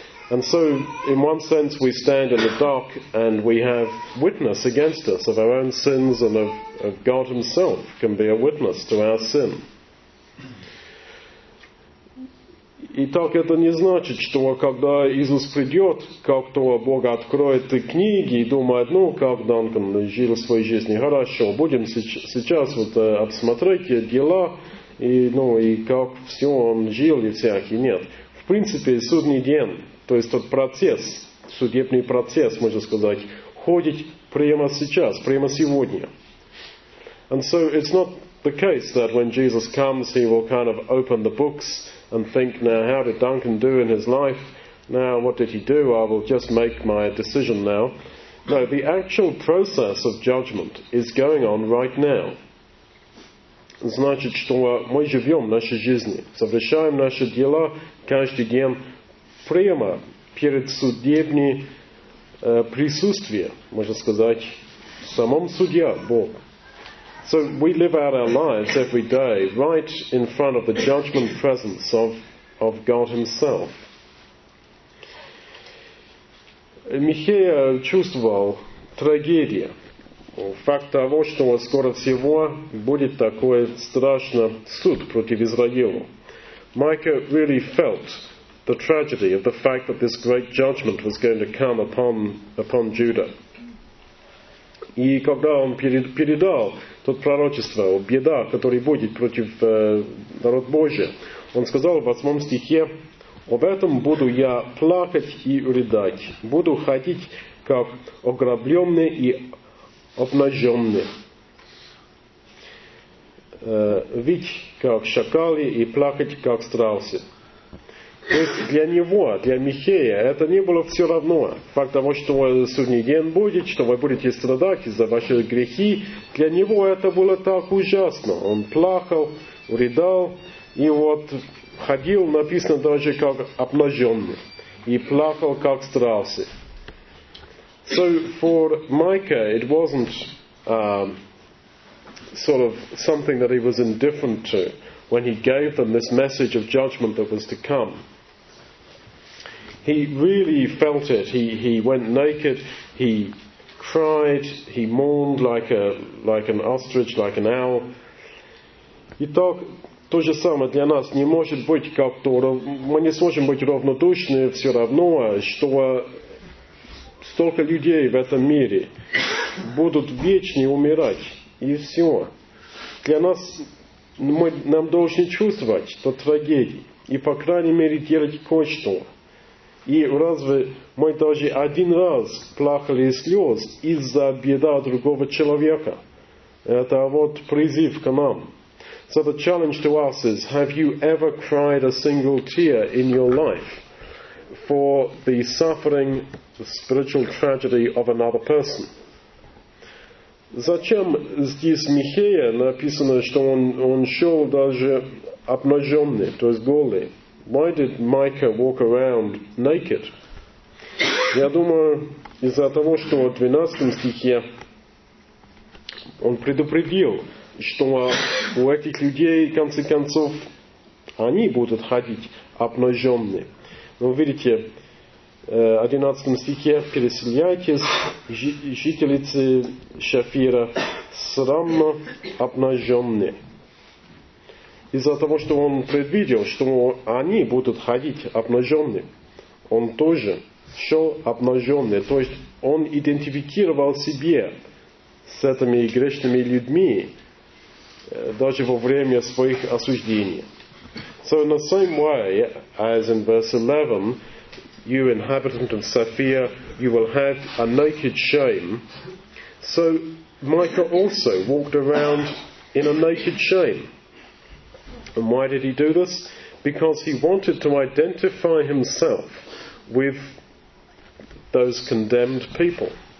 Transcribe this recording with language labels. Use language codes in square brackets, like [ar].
[en] And so, in one sense, we stand in the dark and we have witness against us of our own sins and of God Himself can be a witness to our sin. [ru] Итак, это не значит, что когда Иисус придет, как-то Бог откроет книги и думает, ну, как Данкан жил своей жизнью, хорошо, будем сейчас вот обсмотреть дела, и, ну, и как все он жил и всякий, нет. В принципе, судный день, то есть тот процесс, судебный процесс, можно сказать, ходит прямо сейчас, прямо сегодня. [en] And so it's not the case that when Jesus comes, he will kind of open the books and think, now how did Duncan do in his life? Now what did he do? I will just make my decision now. No, the actual process of judgment is going on right now. [ru] Значит, что мы живем нашей жизнью, совершаем наши дела каждый день, прямо перед судебным присутствием, можно сказать, самом судья Бог. [en] So we live out our lives every day right in front of the judgment presence of God Himself. [ru] Михея чувствовал трагедию. Факт того, что скоро всего будет такой страшный суд против Израиля. [en] Micah really felt the tragedy of the fact that this great judgment was going to come upon Judah. [ru] И когда он передал тот пророчество, беда, которая будет против народ Божий, он сказал в 8 стихе, «Об этом буду я плакать и рыдать, буду ходить, как ограбленный и обнаженный». «Видь, как шакали, и плакать, как страусы». То есть для него, для Михея, это не было все равно. Факт того, что судный день будет, что вы будете страдать из-за ваших грехи, для него это было так ужасно. Он плакал, рыдал, и вот ходил, написано даже как обнаженный, и плакал как страусы. [en] So for Micah, it wasn't sort of something that he was indifferent to when he gave them this message of judgment that was to come. He really felt it. He went naked. He cried. He mourned like an ostrich, like an owl. [ru] Итак, то же самое для нас не может быть как-то. Мы не сможем быть равнодушны все равно, что столько людей в этом мире будут вечно умирать. И все. Для нас нам должны чувствовать эту трагедию. И по крайней мере делать кое-что. И разве мы даже один раз плакали слез из-за беда другого человека? Это вот призыв к нам. [en] So the challenge to us is, have you ever cried a single tear in your life for the suffering, the spiritual tragedy of another person? [ru] Зачем здесь Михея написано, что он шел даже обнаженный, то есть голый? [en] Why did Micah walk around naked? [ru] Я думаю, из-за того, что в 12 стихе он предупредил, что у этих людей, в конце концов, они будут ходить обнаженные. Но вы видите, в 11 стихе «Переселяйтесь, жительницы Шафира, срамно обнаженные. Из-за того, что он предвидел, что они будут ходить обнаженные, он тоже шел обнаженный. То есть он идентифицировал себя с этими грешными людьми даже во время своих осуждений. [en] So in the same way as in verse 11, you inhabitant of Sophia, you will have a naked shame. So Micah also walked around in a naked shame. And why did he do this? Because he wanted to identify himself with those condemned people.